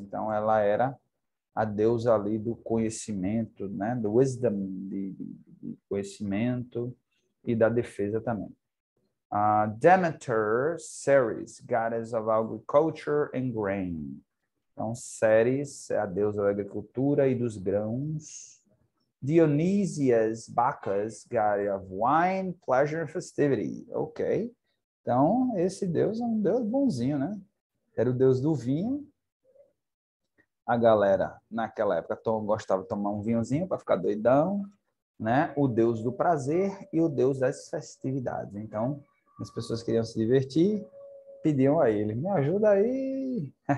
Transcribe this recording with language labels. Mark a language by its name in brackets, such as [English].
[Portuguese] Então ela era a deusa ali do conhecimento, né? Do wisdom, de conhecimento e da defesa também. [English] Demeter, Ceres, goddess of agriculture and grain. [Portuguese] Então, Ceres é a deusa da agricultura e dos grãos. [English] Dionysias, Bacchus, god of wine, pleasure and festivity. Ok. [Portuguese] Então, esse deus é um deus bonzinho, né? Era o deus do vinho. A galera, naquela época, gostava de tomar um vinhozinho para ficar doidão, né? O deus do prazer e o deus das festividades. Então, as pessoas queriam se divertir, pediam a ele, me ajuda aí.